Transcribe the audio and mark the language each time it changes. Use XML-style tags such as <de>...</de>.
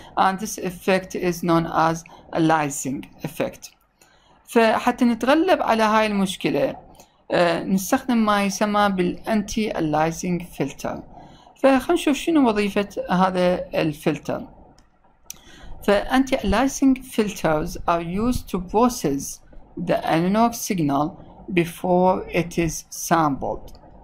<en>And this effect is known as aliasing effect.</en> <ar>فحتى نتغلب على هاي المشكلة نستخدم ما يسمى بالanti-aliasing filter. فخلنا نشوف شنو وظيفة هذا الفلتر.</ar> <en>The anti-aliasing filters are used to process the analog signal before it is sampled.</en>